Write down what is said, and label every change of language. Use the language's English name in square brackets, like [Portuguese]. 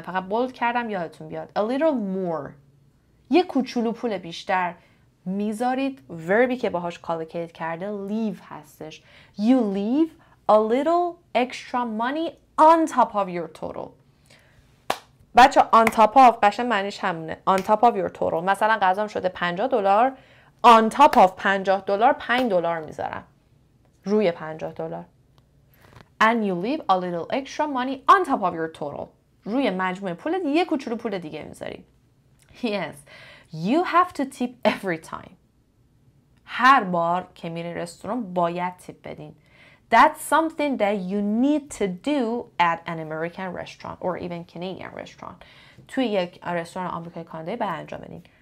[Persian] فقط بولد کردم یادتون بیاد. [English] A little more. [Persian] یه کوچولو پول بیشتر میذارید. وربی که باهاش کالکیت کرده leave هستش. [English] You leave a little extra money on top of your total. [Persian] بچه on top of قشن معنیش همونه. [English] On top of your total. [Persian] مثلا غذام شده $50. On top of $50 $5 میذارم. روی $50. [English] And you leave a little extra money on top of your total. [Persian] روی مجموع پولت یه کوچولو پول دیگه میذاری. [English] Yes. You have to tip every time. [Persian] هر بار که میری رستوران باید تیپ بدین. [English] That's something that you need to do at an American restaurant or even Canadian restaurant. [Persian] توی یک رستوران آمریکای کانادایی باید انجام بدین.